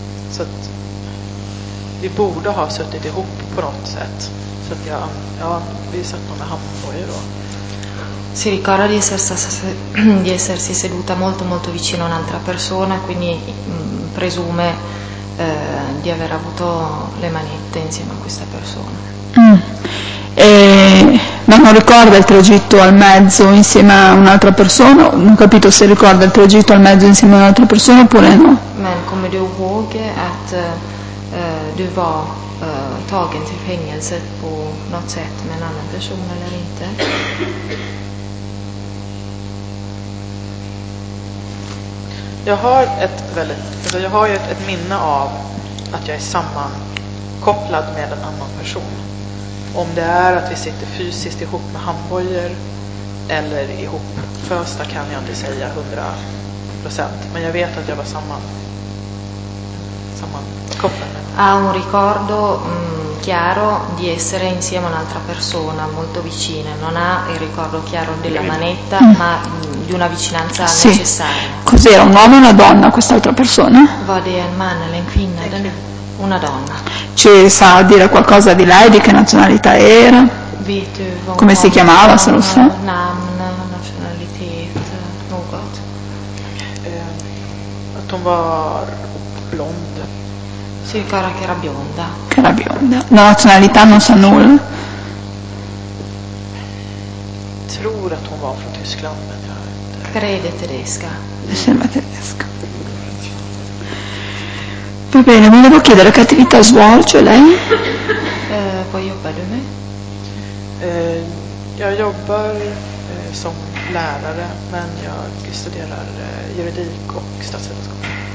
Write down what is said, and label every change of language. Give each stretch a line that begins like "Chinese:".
Swedish: Så att vi borde ha suttit ihop på något sätt. Så att jag, ja, vi satt nog med handbojor då.
Italian: Si ricorda di essersi seduta molto molto vicino a un'altra persona, quindi presume di aver avuto le manette insieme a questa persona. Ma non ricorda il tragitto al mezzo insieme a un'altra persona? Non ho capito se ricorda il tragitto al mezzo insieme a un'altra persona oppure no.
Swedish: Men come du ihåg att du var tagen till fängelset på något sätt med en annan person eller inte? Jag har ett väldigt, alltså jag har ju ett minne av att jag är sammankopplad med en annan person. Om det är att vi sitter fysiskt ihop med handbojor eller ihop fösta kan jag inte säga 100%, men jag vet att jag var sammankopplad.
Italian: Ha un ricordo chiaro di essere insieme a un'altra persona molto vicina, non ha il ricordo chiaro della manetta, ma di una vicinanza sì. Necessaria. Cos'era, un uomo o una donna quest'altra persona?
Swedish: Vadi en man eller en kvinna,
Italian: una donna. Ci sa dire qualcosa di lei, di che nazionalità era?
Swedish: Vet du,
Italian: come si chiamava, se lo sa?
Swedish: Namn, nazionalità, något. Att hon var blond.
Italian: Si ricorda che era bionda. Che era bionda. La nazionalità non sa nulla.
Swedish: Tror att hon var från Tyskland, men jag vet inte.
Italian: Crede tedesca. Mi sembra tedesca. Va bene, volevo chiedere che attività svolge lei.
Swedish: Poi jobbar du med? Jag jobbar som lärare, men jag studerar juridik och statsvetenskap.